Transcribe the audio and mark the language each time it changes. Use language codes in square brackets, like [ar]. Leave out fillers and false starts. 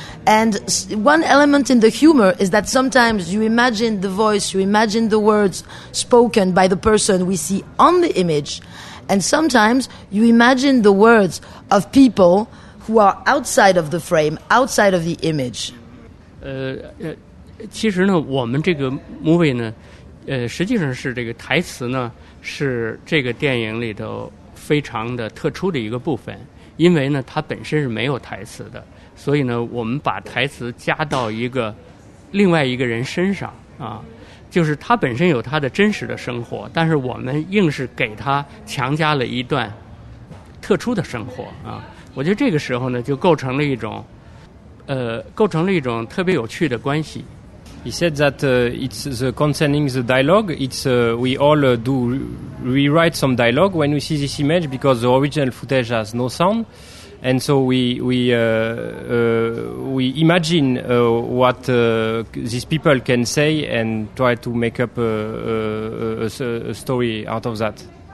[en] And one element in the humor is that sometimes you imagine the voice, you imagine the words spoken by the person we see on the image. And sometimes you imagine the words of people who are outside of the frame, outside of the image. [zh] 其实呢，我们这个 movie 呢，实际上是这个台词呢，是这个电影里头非常的特殊的一个部分，因为呢，它本身是没有台词的，所以呢，我们把台词加到一个另外一个人身上啊。就是他本身有他的真实的生活，但是我们硬是给他强加了一段特殊的生活啊！我觉得这个时候呢，就构成了一种，构成了一种特别有趣的关系。 [en] He said that it's the concerning the dialogue. It's we all do rewrite some dialogue when we see this image because the original footage has no sound, and so we imagine what these people can say and try to make up a story out of that.